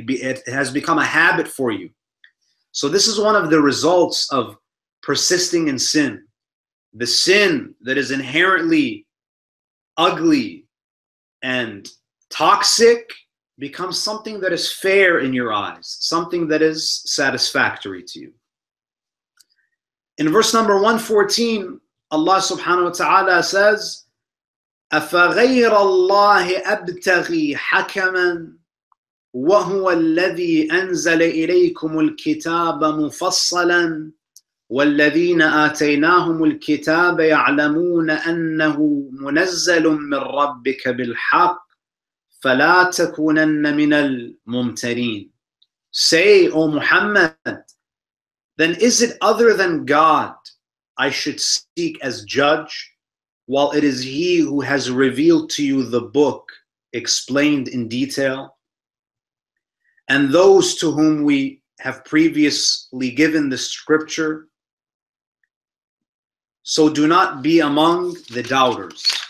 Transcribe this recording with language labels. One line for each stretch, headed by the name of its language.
English: It has become a habit for you. So this is one of the results of persisting in sin. The sin that is inherently ugly and toxic becomes something that is fair in your eyes, something that is satisfactory to you. In verse number 114, Allah subhanahu wa ta'ala says,
Arabic: أَفَغَيْرَ اللَّهِ أَبْتَغِي حَكَمًا وَهُوَ الَّذِي أَنزَلَ إِلَيْكُمُ الْكِتَابَ مُفَصَّلًا وَالَّذِينَ آتَيْنَاهُمُ الْكِتَابَ يَعْلَمُونَ أَنَّهُ مُنَزَّلٌ مِّن رَّبِّكَ بِالْحَقِّ فَلَا تَكُونَنَّ مِنَ الْمُمْتَرِينَ.
English: Say, O Muhammad, then is it other than God I should seek as judge, while it is He who has revealed to you the book explained in detail? And those to whom we have previously given the scripture, so do not be among the doubters.